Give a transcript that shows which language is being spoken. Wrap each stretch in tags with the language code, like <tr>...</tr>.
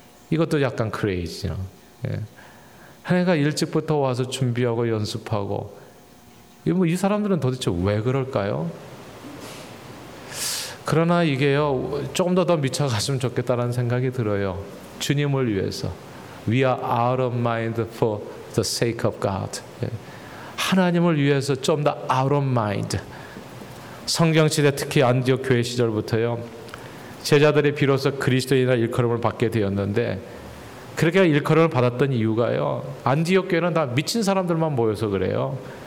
<ko>이것도 약간 크레이지죠. 예. 하나님과 일찍부터 와서 준비하고 연습하고. 이 사람들은 도대체 왜 그럴까요? 그러나 이게요, 조금 더 미쳐갔으면 좋겠다는 생각이 들어요. 주님을 위해서.</ko> <en>We are out of mind for the sake of God.</en> <ko>하나님을 위해서 좀 더</ko> <en>out of mind.</en> <ko>성경시대 특히 안디옥 교회 시절부터요, 제자들이 비로소 그리스도인이나 일컬음을 받게 되었는데, 그렇게 일컬음을 받았던 이유가요, 안디옥 교회는 다 미친 사람들만 모여서 그래요.</ko>